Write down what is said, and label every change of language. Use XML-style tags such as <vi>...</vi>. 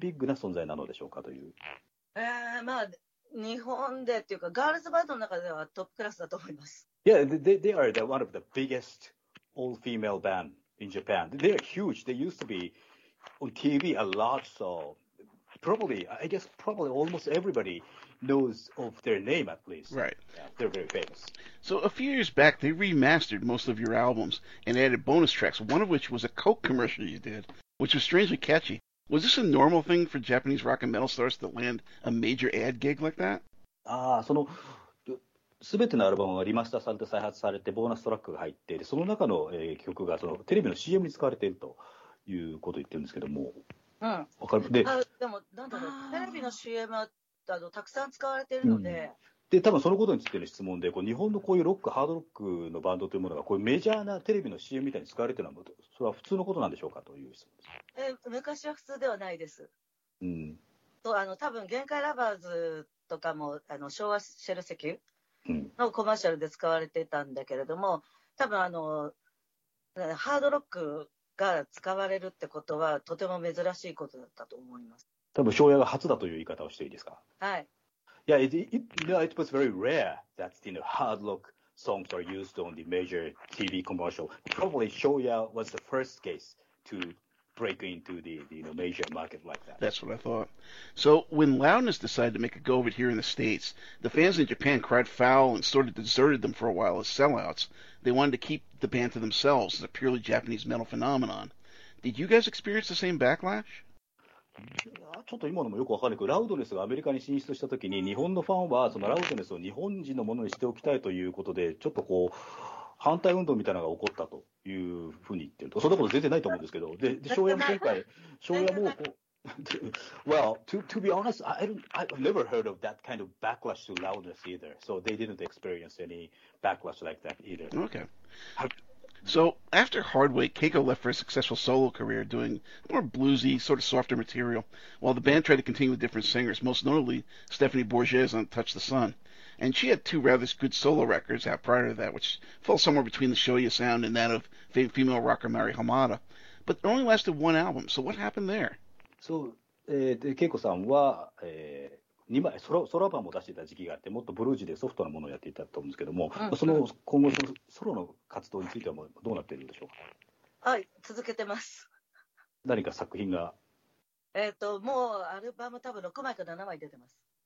<ja>まあその庄屋のサウンドにはそのキャッツアイであるとかそういったこうアニメのサウンドみたいなものを感じることがあるんだけれども、そもそもその庄屋というのはまあちょっとそこはどうでもいいですから、庄屋は日本ではどれぐらいビッグなんでしょうかと。例えばピンクレディーであるとかそれぐらいのレベルだったのか、ラウドネスももちろん日本では人気だと思うんだけれども、庄屋は日本で一体どれぐらいビッグな存在なのでしょうかという。ええ、まあ。日本でっていうか、ガールズバンドの中ではトップクラスだと思います。Yeah,</ja> <en>they are one of the biggest all-female band in Japan. They are huge. They used to be on TV a lot, so probably, I guess, probably almost everybody knows of their name at least. Right. Yeah, they're very famous. So a few years back, they remastered most of your albums and added bonus tracks, one of which was a Coke commercial you did, which was strangely catchy. Was this a normal thing for Japanese rock and metal stars to land a major ad gig like that?</en> <ja>ああ、そのすべてのアルバムはリマスターされて再発されてボーナストラックが入っていて、その中の、曲がそのテレビの CM に使われているということを言ってるんですけども、うん、わかる。でもなんだろう、テレビの CM はたくさん使われているので、うん、で多分そのことについての質問で、こう日本のこういうロック、ハードロックのバンドというものがこういうメジャーなテレビの CM みたいに使われているのは、それは普通のことなんでしょうかという質問です。昔は普通ではないです、うん、と多分限界ラバーズとかも昭和シェル石油のコマーシャルで使われてたんだけれども、うん、多分ハードロックが使われるってことはとても珍しいことだったと思います。多分昭和が初だという言い方をしていいですか。はい。</ja> <en>Yeah, it was very rare that hard rock songs are used on the major TV commercial. Probably Shoya was the first case to break into the major market like that. That's what I thought. So when Loudness decided to make a go of it here in the States, the fans in Japan cried foul and sort of deserted them for a while as sellouts. They wanted to keep the band to themselves as a purely Japanese metal phenomenon. Did you guys experience the same backlash?</en> <ja>ちょっと今のもよくわかんないけど、ラウドネスがアメリカに進出したときに、日本のファンはそのラウドネスを日本人のものにしておきたいということで、ちょっとこう反対運動みたいなのが起こったというふうに言ってると、そんなこと全然ないと思うんですけど、で翔也も今回、翔也もこう、</ja> <en>Well, to be honest, I've never heard of that kind of backlash to loudness either, so they didn't experience any backlash like that either. Okay. So, after Hardway, Keiko left for a successful solo career doing more bluesy, sort of softer material, while the band tried to continue with different singers, most notably Stephanie Bourges on Touch the Sun. And she had two rather good solo records out prior to that, which fell somewhere between the Shoya sound and that of female rocker Mari Hamada. But it only lasted one album, so what happened there? So, Keiko-san was...</en> <ja>2枚ソロアルバムを出していた時期があって、もっとブルージーでソフトなものをやっていたと思うんですけども、うん、その今後のソロの活動についてはもうどうなっているんでしょうか。はい、続けてます。何か作品が、もうアルバム多分6枚か7枚出てます。</ja>